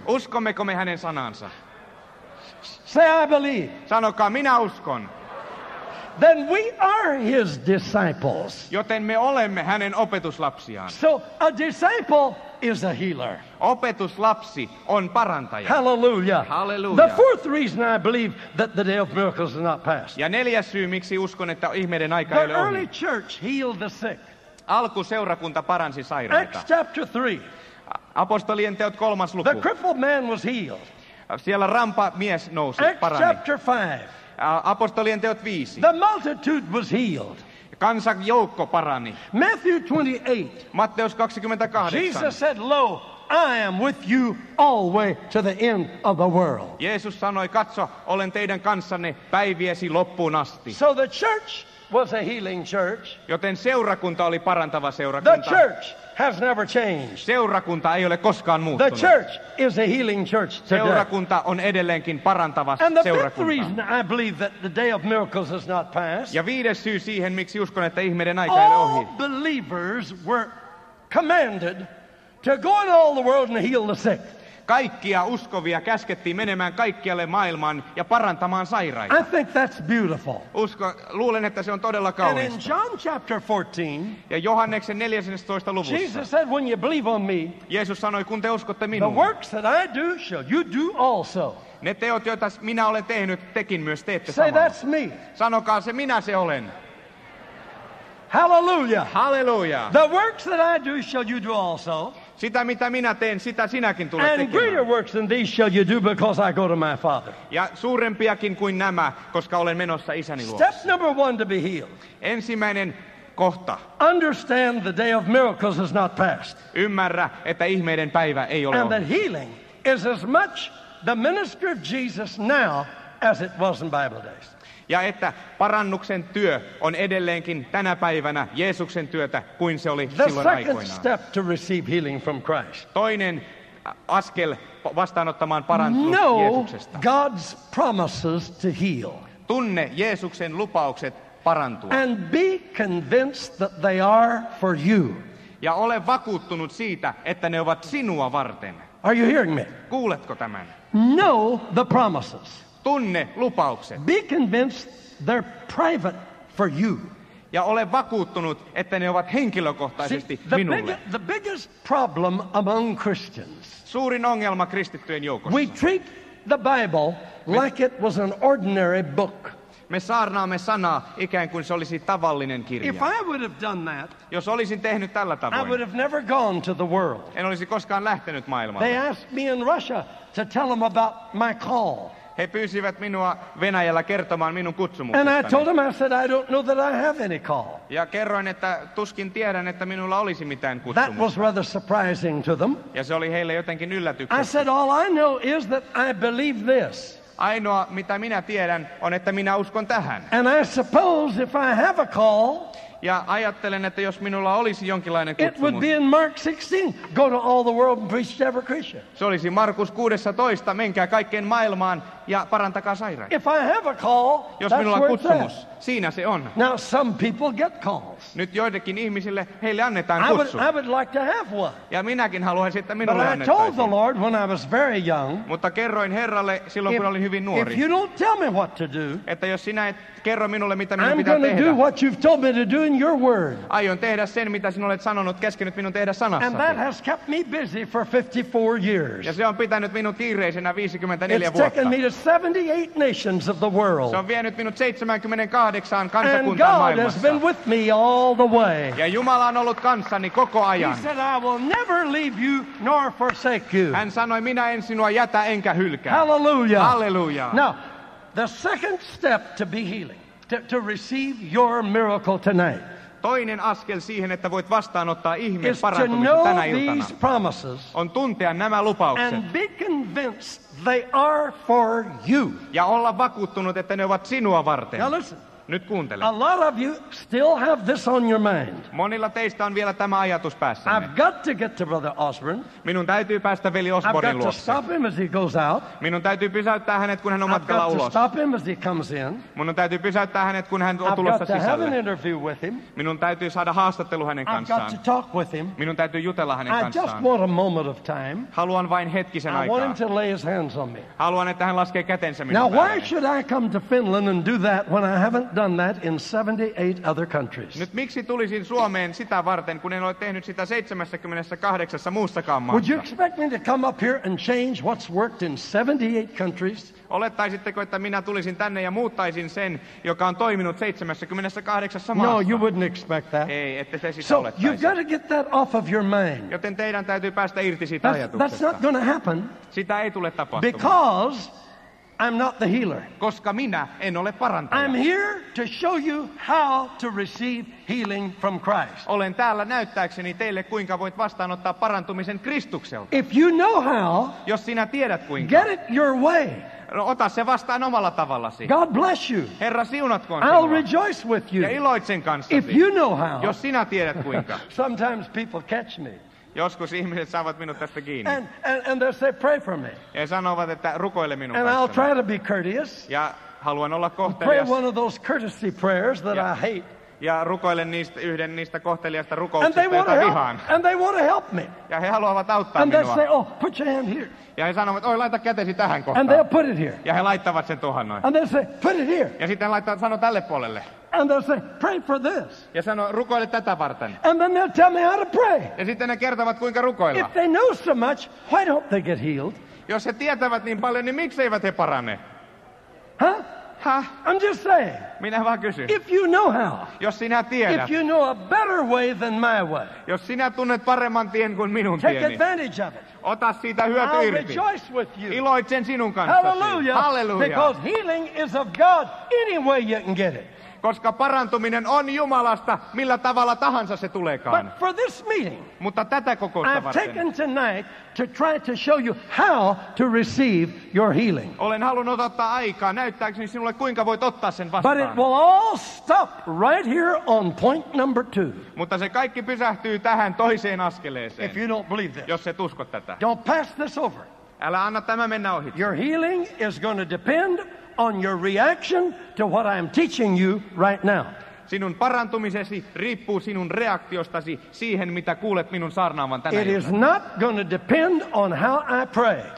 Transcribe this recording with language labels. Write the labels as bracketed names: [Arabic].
[Finnish] Uskommeko me hänen sanansa? [English] Say I believe. [Finnish] Sanokaa minä uskon. [English] Then we are his disciples. [Finnish] Joten me olemme hänen opetuslapsiaan. [English] So a disciple is a healer. [Finnish] Opetuslapsi on parantaja. [English] Hallelujah. [Finnish] Hallelujah. [English] The fourth reason I believe that the day of miracles is not past. [Finnish] Ja neljäs syy, miksi uskon, että ihmeiden aika [English] the [Finnish] ei ole ohi. [English] The early church healed the sick. [Finnish] Alkuseurakunta paransi sairaita. [English] Acts chapter 3. [Finnish] Apostolien teot 3. luku. [English] The crippled man was healed. [Finnish] Siellä rampa mies nousi, [English] Acts [Finnish] parani. [English] Chapter 5. [Finnish] Apostolien teot 5. [English] The multitude was healed. [Finnish] Kansan joukko parani. [English] Matthew 28. [Finnish] Matteus 28. [English] Jesus said, "Lo, I am with you always to the end of the world." [Finnish] Jeesus sanoi, "Katso, olen teidän kanssanne päiviesi loppuun asti." [English] So the church was a healing church. [Finnish] Joten seurakunta oli parantava seurakunta. [English] The church has never changed. [Finnish] Seurakunta ei ole koskaan muuttunut. [English] The church is a healing church today. [Finnish] Seurakunta on edelleenkin parantava seurakunta. [English] And the fifth reason I believe that the day of miracles is not past. [Finnish] Ja viides syy siihen, miksi uskon, että ihmeiden aika ei ole ohi. [English] All believers were commanded to go in all the world and heal the sick. [Finnish] Kaikkia uskovia käskettiin menemään kaikkialle maailmaan ja parantamaan sairaita. [English] I think that's beautiful. [Finnish] Luulen, että se on todella kaunista. [English] And in John chapter 14, [Finnish] ja Johanneksen 14. luvussa, [English] Jesus said, when you believe on me, [Finnish] Jeesus sanoi, kun te uskotte minuun, [English] the works that I do, shall you do also. [Finnish] Ne teot, joita minä olen tehnyt, tekin myös teette samalla. [English] Say, that's me. [Finnish] Sanokaa se, minä se olen. [English] Hallelujah. [Finnish] Hallelujah. [English] The works that I do, shall you do also. [Finnish] Sitä, mitä minä teen, sitä sinäkin tulet [English] and [Finnish] tekemään. [English] And greater works than these shall you do, because I go to my Father. [Finnish] Ja suurempiakin kuin nämä, koska olen menossa isäni luo. [English] Step number one to be healed. [Finnish] Ensimmäinen kohta. [English] Understand the day of miracles is not past. [Finnish] Ymmärrä, että ihmeiden päivä ei ole. [English] And that healing is as much the ministry of Jesus now as it was in Bible days. [Finnish] Ja että parannuksen työ on edelleenkin tänä päivänä Jeesuksen työtä, kuin se oli silloin aikoinaan. [English] Step to receive healing from Christ. [Finnish] Toinen askel vastaanottamaan parannuksen Jeesuksesta. [English] Know God's promises to heal. [Finnish] Tunne Jeesuksen lupaukset parantua. [English] And be convinced that they are for you. [Finnish] Ja ole vakuuttunut siitä, että ne ovat sinua varten. [English] Are you hearing me? [Finnish] Kuuletko tämän? [English] Know the promises. [Finnish] Tunne lupaukset. [English] Be convinced they're private for you. [Finnish] Ja ole vakuuttunut, että ne ovat henkilökohtaisesti minulle. [English] The biggest problem among Christians. [Finnish] Suurin ongelma kristittyjen joukossa. [English] We treat the Bible like it was an ordinary book. [Finnish] Me saarnaamme sanaa ikään kuin se olisi tavallinen kirja. [English] If I would have done that, [Finnish] jos olisin tehnyt tällä tavoin, [English] I would have never gone to the world. [Finnish] En olisi koskaan lähtenyt maailmalle. [English] They asked me in Russia to tell them about my call. [Finnish] He pyysivät minua Venäjällä kertomaan minun kutsumuksestani. [English] And I told him, I said, I don't know that I have any call. [Finnish] Ja kerroin, että tuskin tiedän, että minulla olisi mitään kutsumusta. [English] That was rather surprising to them. [Finnish] Ja se oli heille jotenkin yllätyksen. [English] I said, all I know is that I believe this. [Finnish] Ainoa, mitä minä tiedän, on, että minä uskon tähän. [English] And I suppose if I have a call, [Finnish] ja ajattelen, että jos minulla olisi jonkinlainen kutsumus. [English] It would be in Mark 16, go to all the world and preach to every Christian. [Finnish] Se olisi Markus 16, menkää kaikkeen maailmaan ja parantakaa sairaita. [English] If I have a call, [Finnish] jos minulla on kutsumus, siinä se on. [English] Now some people get calls. [Finnish] Nyt joidenkin ihmisille, heille annetaan kutsu. [English] I would like to have one. [Finnish] Ja minäkin haluaisin, että minulle annettaisiin. [English] But I told the Lord when I was very young, [Finnish] mutta kerroin Herralle silloin, kun olin hyvin nuori. [English] If you don't tell me what to do, [Finnish] että jos sinä et kerro minulle, mitä minun pitää tehdä. [English] I'm going to do what you've told me to do in your word. [Finnish] Aion tehdä sen, mitä sinä olet sanonut, käskenyt minun tehdä sanassasi. [English] And that has kept me busy for 54 years. [Finnish] Ja se on pitänyt minut kiireisenä 54 vuotta. [English] It's taken me to 78 nations of the world. [Finnish] Se on vienyt minut 78 kansakuntaan maailmassa. [English] And God has been with me all the way. [Finnish] Ja Jumala on ollut kanssani koko ajan. [English] He said, I will never leave you nor forsake you. [Finnish] Hän sanoi, minä en sinua jätä enkä hylkää. [English] Hallelujah. [Finnish] Hallelujah. [English] Now, the second step to be healing, to receive your miracle tonight. [Finnish] Toinen askel siihen, että voit vastaanottaa ihmeen parantumisen tänä iltana. [English] Is to know these promises. [Finnish] On tuntea nämä lupaukset. [English] And be convinced they are for you. [Finnish] Ja olla vakuuttunut, että ne ovat sinua varten. [English] Now listen. [Finnish] Nyt kuuntele. [English] A lot of you still have this on your mind. [Finnish] Monilla teistä on vielä tämä ajatus päässä. [English] I've got to get to Brother Osborne. [Finnish] Minun täytyy päästä veli Osbornin luokse. [English] I've got to stop him as he goes out. [Finnish] Minun täytyy pysäyttää hänet, kun hän on matkalla ulos. [English] I've got to stop him as he comes in. [Finnish] Minun täytyy pysäyttää hänet, kun hän on tulossa sisälle. [English] I've got to have an interview with him. [Finnish] Minun täytyy saada haastattelu hänen kanssaan. [English] I've got to talk with him. [Finnish] Minun täytyy jutella hänen kanssaan. [English] I just want a moment of time. [Finnish] Haluan vain hetkisen aikaa. [English] I want him to lay his hands on me. [Finnish] Haluan, että hän laskee kätensä minun päälle. [English] Now why should I come to Finland and do that when I haven't done that in 78 other countries. [Finnish] Nyt miksi tulisin Suomeen sitä varten, kun en ole tehnyt sitä 78 muussakaan maassa? [English] Would you expect me to come up here and change what's worked in 78 countries? [Finnish] Olettaisitteko, että minä tulisin tänne ja muuttaisin sen, joka on toiminut 78 maassa? [English] No, you wouldn't expect that. [Finnish] Ei, ette te sitä [English] so [Finnish] olettaisi. [English] You've got to get that off of your mind. [Finnish] Joten teidän täytyy päästä irti siitä ajatuksesta. [English] That's not going to happen. [Finnish] Sitä ei tule tapahtumaan. [English] Because I'm not the healer. [Finnish] Koska minä en ole parantaja. [English] I'm here to show you how to receive healing from Christ. [Finnish] Olen täällä näyttääkseni teille kuinka voit vastaanottaa parantumisen Kristukselta. [English] If you know how, [Finnish] jos sinä tiedät kuinka. [English] Get it your way. [Finnish] Ota se vastaan omalla tavallasi. [English] God bless you. [Finnish] Herra siunatkoon sinua. [English] I'll rejoice with you. [Finnish] Ja iloitsen kanssasi. [English] If you know how, [Finnish] jos sinä tiedät kuinka. [English] Sometimes people catch me. [Finnish] Joskus ihmiset saavat minut tästä kiinni. [English] And they say pray for me. [Finnish] Ja sanovat, että rukoile minun kanssani. [English] And I'll try to be courteous. [Finnish] Ja haluan olla kohtelias. [English] Pray one of those courtesy prayers that I hate. [Finnish] Ja rukoilen niistä yhden niistä kohteliasta rukouksista, jota vihaan. [English] And they want to help me. [Finnish] Ja he haluavat auttaa [English] and [Finnish] minua. [English] Say, oh, put your hand here. [Finnish] Ja he sanovat, oi, laita kätesi tähän kohtaan. [English] And they'll put it here. [Finnish] Ja he laittavat sen tuohon noin. [English] And they say, put it here. [Finnish] Ja sitten laittavat sano tälle puolelle. [English] And they'll say, pray for this. [Finnish] Ja sano, rukoile tätä varten. [English] And then they'll tell me how to pray. [Finnish] Ja sitten ne kertovat, kuinka rukoilla. [English] If they know so much, why don't they get healed? [Finnish] Jos he tietävät niin paljon, niin mikseivät he parane? Huh? Huh? [English] I'm just saying. [Finnish] Minä vaan kysyn. [English] If you know how. [Finnish] Jos sinä tiedät. [English] If you know a better way than my way. [Finnish] Jos sinä tunnet paremman tien kuin minun [English] take [Finnish] tieni. [English] Take advantage of it. [Finnish] Ota siitä hyöty [English] I'll [Finnish] irti. [English] Rejoice with you. [Finnish] Iloitsen sinun kanssasi. [English] Hallelujah. [Finnish] Hallelujah. [English] Because healing is of God any way you can get it. [Finnish] Koska parantuminen on Jumalasta, millä tavalla tahansa se tuleekaan. [English] But for this meeting, [Finnish] mutta tätä kokousta [English] I've [Finnish] varten. [English] Taken tonight to try to show you how to receive your healing. [Finnish] Olen halunnut ottaa aikaa näyttääkseni sinulle, kuinka voit ottaa sen vastaan. [English] But it will all stop right here on point number two. [Finnish] Mutta se kaikki pysähtyy tähän toiseen askeleeseen. [English] If you don't believe this. [Finnish] Jos et usko tätä. [English] Don't pass this over. [Finnish] Älä anna tämä mennä ohi. [English] Your healing is going to depend on your reaction to what I am teaching you right now. [Finnish] Sinun parantumisesi riippuu sinun reaktiostasi siihen, mitä kuulet minun saarnaavan tänä [English] it [Finnish] iltana. [English] Is not going to depend on how I pray.